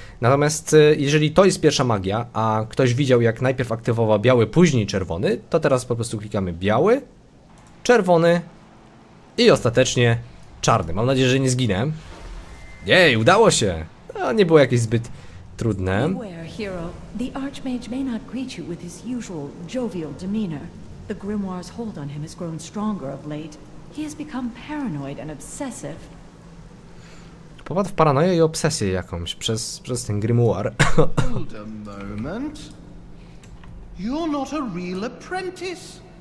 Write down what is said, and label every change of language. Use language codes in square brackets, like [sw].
[pl] Natomiast jeżeli to jest pierwsza magia, a ktoś widział, jak najpierw aktywował biały, później czerwony, to teraz po prostu klikamy biały, czerwony i ostatecznie czarny. Mam nadzieję, że nie zginę. Jej, udało się! No, nie było jakieś zbyt trudne. [en] Beware, hero. The Archmage may not greet you with his usual jovial demeanor. The grimoire's hold on him has grown stronger of late. He has become paranoid and obsessive. [pl] Popadł w paranoję i obsesję jakąś przez ten grimoire. [en] Hold a moment. You're not a real apprentice.